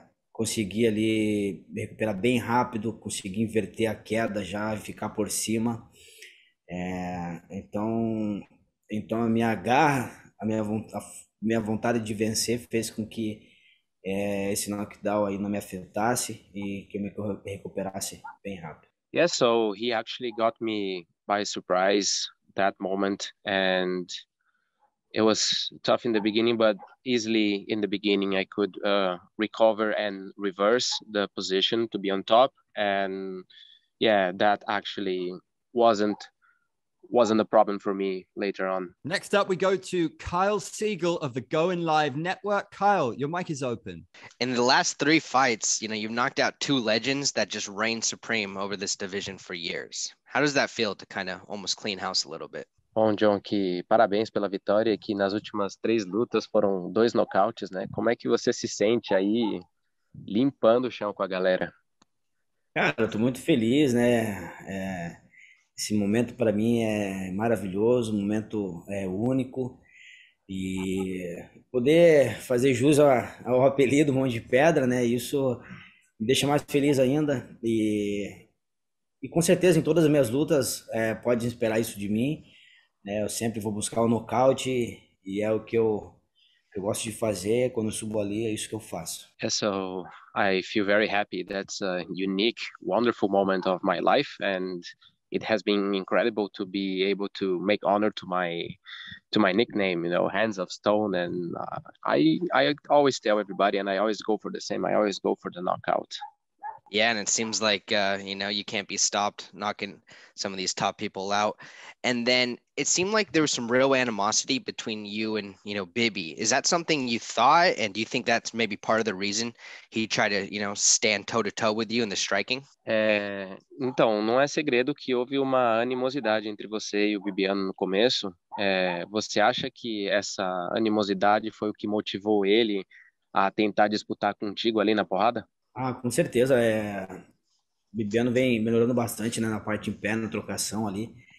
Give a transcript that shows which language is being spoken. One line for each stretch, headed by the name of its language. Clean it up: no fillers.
Portuguese: Consegui ali me recuperar bem rápido, consegui inverter a queda já e ficar por cima. Então a minha vontade de vencer fez com que esse knockdown aí não me afetasse e que eu me recuperasse bem rápido.
English: Yes, so he actually got me by surprise that moment, and it was tough in the beginning, but easily in the beginning I could recover and reverse the position to be on top, and yeah, that actually wasn't a problem for me later on. Next up, we go to Kyle Siegel of the Goin' Live Network. Kyle, your mic is open. In the last three fights, you've knocked out two legends that just reign supreme over this division for years. How does that feel to kind of almost clean house a little bit?
Portuguese: Bom, John, que parabéns pela vitória, que nas últimas três lutas foram dois nocautes, né? Como é que você se sente aí limpando o chão com a galera? Cara, eu tô muito feliz, né? Esse momento para mim é maravilhoso, um momento único e poder fazer jus ao apelido Mão de Pedra, né? Isso me deixa mais feliz ainda e com certeza em todas as minhas lutas pode esperar isso de mim, né? Eu sempre vou buscar o nocaute e é o que eu gosto de fazer quando eu subo ali, é isso que eu faço.
English: So I feel very happy. That's a unique, wonderful moment of my life, and it has been incredible to be able to make honor to my nickname, you know, Hands of Stone. And I always tell everybody, and I always go for the same. I always go for the knockout. Yeah, and it seems like, you know, you can't be stopped knocking some of these top people out. And then it seemed like there was some real animosity between you and, you know, Bibby. Is that something you thought? And do you think that's maybe part of the reason he tried to, you know, stand toe-to-toe with you in the striking?
Portuguese: Então, não é segredo que houve uma animosidade entre você e o Bibiano no começo. Você acha que essa animosidade foi o que motivou ele a tentar disputar contigo ali na porrada? Ah, com certeza. Bibiano vem melhorando bastante, né, na parte em pé, na trocação ali.